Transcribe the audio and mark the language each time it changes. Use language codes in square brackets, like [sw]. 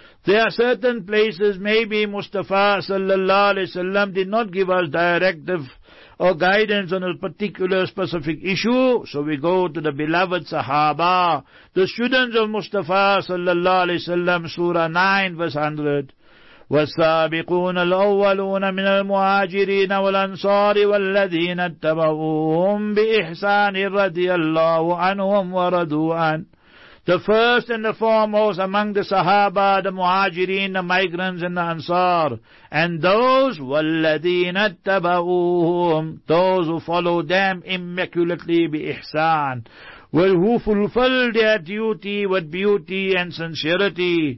[en] There are certain places, maybe Mustafa sallallahu alayhi wa sallam did not give us directive or guidance on a particular specific issue, so we go to the beloved Sahaba, the students of Mustafa sallallahu alayhi wa sallam, Surah 9 verse 100. [ar] والسابقون الأولون من المهاجرين والأنصار والذين اتبعوهم بإحسان رضي الله عنهم ورضوا عنه. [en] The first and the foremost among the Sahaba, the Muhajirin, the migrants and the Ansar, and those, [ar] وَالَّذِينَ اتَّبَعُوهُمْ, [en] those who follow them immaculately [ar] بِإِحْسَان, [en] who fulfilled their duty with beauty and sincerity.